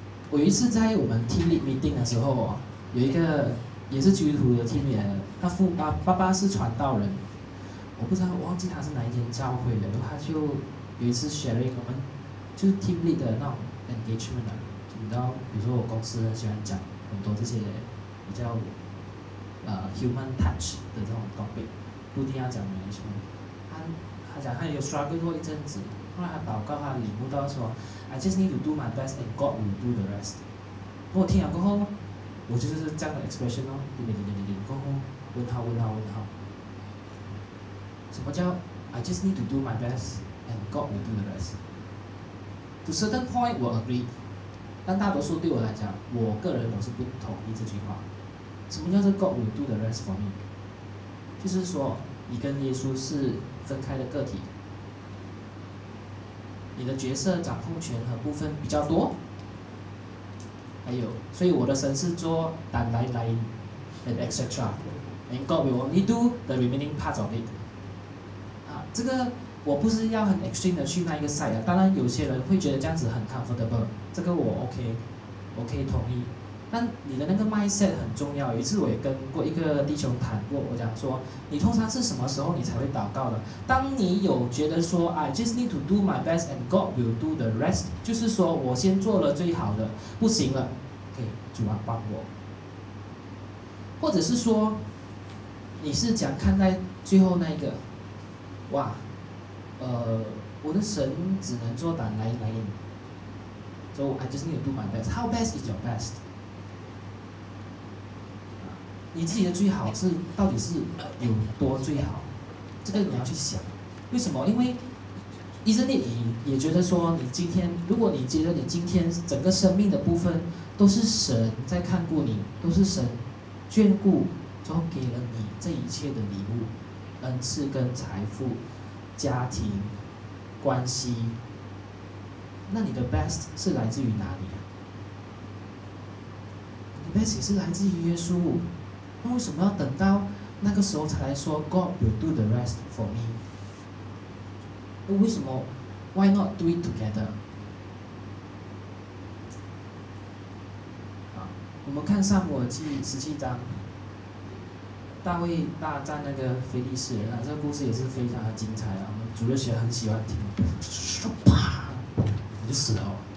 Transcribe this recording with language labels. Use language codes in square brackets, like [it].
[zh] 我有一次在我们 team meeting 的时候，有一个也是基督徒的 team 来的，他父爸爸爸是传道人，我不知道，我忘记他是哪一间教会的，他就有一次 sharing 我们就是 team lead 的那种 engagement 啊。你知道，比如说我公司喜欢讲很多这些比较human touch 的这种 topic， 不一定要讲人生。他讲他有 struggle 过一阵子，后来他祷告，他领悟到说 ， [en] I just need to do my best and God will do the rest。 [zh] 我听了过后，我就是这样的 expression 哦，你过后问号，什么叫 [en] I just need to do my best and God will do the rest？ To certain point， [zh] 我 [en] agree。 [zh] 但大多数对我来讲，我个人我是不同意这句话。什么叫做 [en] God will do the rest for me？ [zh] 就是说，你跟耶稣是分开的个体，你的角色掌控权和部分比较多。还有，所以我的神是做 [en] timeline and etc. And God will only do the remaining parts of it。 [zh] 啊，这个我不是要很 extreme 的去那一个 side 啊。当然，有些人会觉得这样子很 comfortable。这个我 OK， 我可以同意。但你的那个 mindset 很重要。有一次我也跟过一个弟兄谈过，我讲说，你通常是什么时候你才会祷告的？当你有觉得说 ， [en] I just need to do my best and God will do the rest， [zh] 就是说我先做了最好的，不行了，可以主啊帮我。或者是说，你是讲看待最后那个，哇，我的神只能做胆来来。 [en] So I just need to do my best. How best is your best? [zh] 你自己的最好是到底是有多最好？这个你要去想。为什么？因为医生你也觉得说，你今天如果你觉得你今天整个生命的部分都是神在看顾你，都是神眷顾主给了你这一切的礼物、恩赐跟财富、家庭、关系，那你的 best 是来自于哪里啊？你的 best 是来自于耶稣，那为什么要等到那个时候才来说 [en] God will do the rest for me？ [zh] 那为什么 [en] Why not do it together？ [zh] 我们看撒母耳记十七章，大卫大战那个非利士人，这个故事也是非常的精彩啊！我们主日学很喜欢听，啪，你就死了。